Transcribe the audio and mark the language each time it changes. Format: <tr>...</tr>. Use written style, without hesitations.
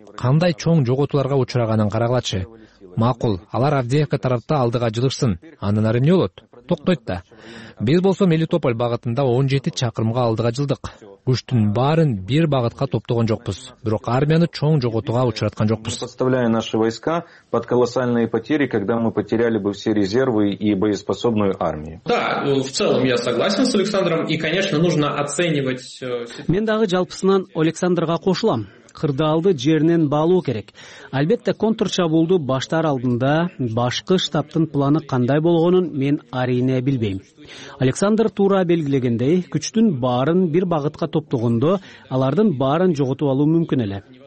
<ky>Кандай чоң жоготууларга учураганын карагылачы. Макул, алар Авдеевка тарапта алдыга жылышсын, андан ары эмне болот? Токтойт да. Биз болсо Мелитополь багытында 17 чакырымга алдыга жылдык. Күчтүн баарын бир багытка топтогон жокпуз, бирок армияны чоң жоготууга учураткан жокпуз.</ky> <ru>Подставляя наши войска под колоссальные потери, когда мы потеряли бы все резервы и боеспособную армию. Да, в целом я согласен с Александром, и, конечно, нужно оценивать...</ru> <ky>Мен дагы жалпысынан Александрга кошулам. Кырдаалды жеринен баалуу керек. Албетте, контур чабуулду баштар алдында башкы штабтын планы кандай болгонун мен арийне билбейм. Александр туура белгилегендей, күчтүн баарын бир багытка топтогондо алардын баарын жоготуп алуу мүмкүн эле.</ky>